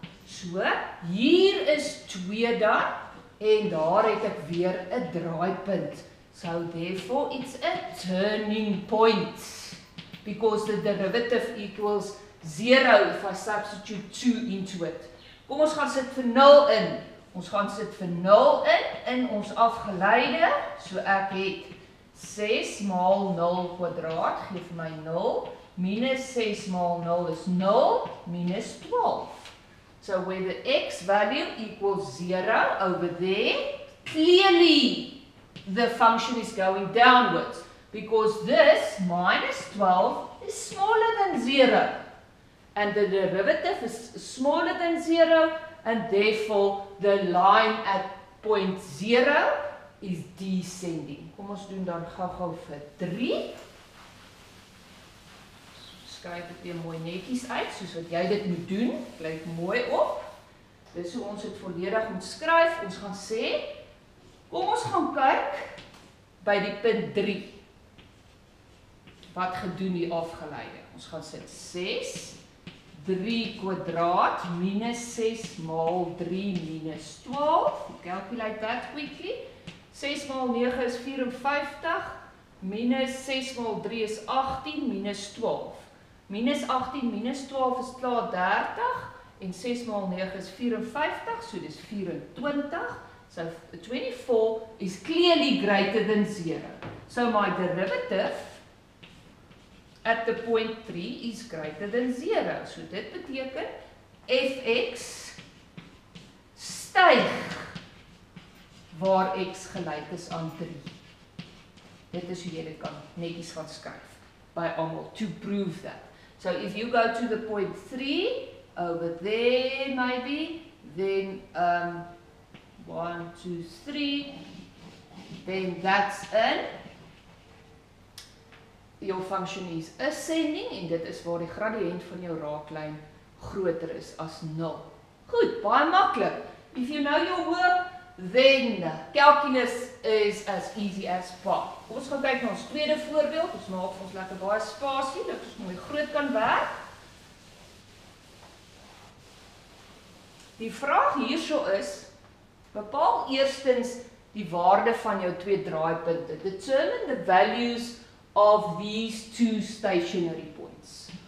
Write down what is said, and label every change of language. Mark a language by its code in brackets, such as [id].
[af] So, hier is 2 dan, en daar het ek weer 'n draaipunt. [en] So, therefore, it's a turning point, because the derivative equals 0 if I substitute 2 into it. [af] Kom, ons gaan sit vir 0 in. Ons gaan sit vir 0 in ons afgeleide, so ek het 6 maal 0 kwadraat, geef my 0, minus 6 maal 0 is 0, minus 12. [en] So where the x value equals 0 over there, clearly the function is going downwards because this minus 12 is smaller than 0 and the derivative is smaller than 0 and therefore the line at point 0 is descending. [af] Kom ons doen dan gou-gou vir 3. Skryf dit weer mooi netjies uit soos wat jy dit moet doen. Klik mooi op. Dis hoe ons dit volledig moet skryf. Ons gaan sê kom ons gaan kyk by die punt 3. Wat gedoen die afgeleide? Ons gaan sê 6 3 kwadraat minus 6 maal 3 minus 12. [en] Calculate that quickly. [af] 6 maal 9 is 54, minus 6 maal 3 is 18, minus 12. Minus 18 minus 12 is klaar 30, en 6 maal 9 is 54, so dis 24. [en] So 24 is clearly greater than 0. So my derivative at the point 3 is greater than 0. [af] So dit beteken fx styg waar x gelyk is aan 3. Dit is hoe jy dit kan netjies gaan skryf by almal [en] to prove that. So if you go to the point 3 over there maybe then 1 2 3 then that's in your function is ascending [af] en dit is waar die gradiënt van jou raaklyn groter is as 0. Goed, baie maklik. [en] If you know your work then calculus is as easy as pie. [af] Ons gaan kyk na ons tweede voorbeeld. Ons maak ons lekker baie spasie, dat ons mooi groot kan werk. Die vraag hierso is, bepaal eerstens die waarde van jou twee draaipunte. [en] Determine the values of these two stationary points.